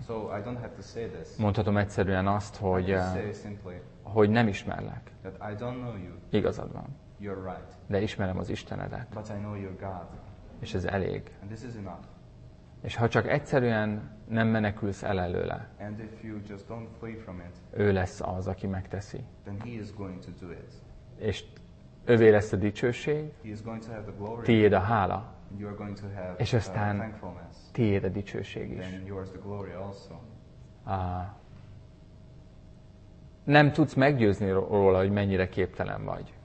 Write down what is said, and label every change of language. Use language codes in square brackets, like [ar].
[en] So I don't have to say this. [hu] Mondhatom egyszerűen azt, hogy, [en] simply, [hu] hogy nem ismerlek. [en] That I don't know you. [hu] Igazad van. [en] You're right. [hu] De ismerem az Istenedet. [en] But I know your God. [hu] És ez elég. [en] And this is enough. [hu] És ha csak egyszerűen nem menekülsz el előle, [en] and if you just don't flee from it, [hu] ő lesz az, aki megteszi. [en] Then he is going to do it. [hu] És övé lesz a dicsőség, tiéd a hála, és aztán tiéd a dicsőség is. [en] Then yours the glory also. [hu] Nem tudsz meggyőzni róla, hogy mennyire képtelen vagy.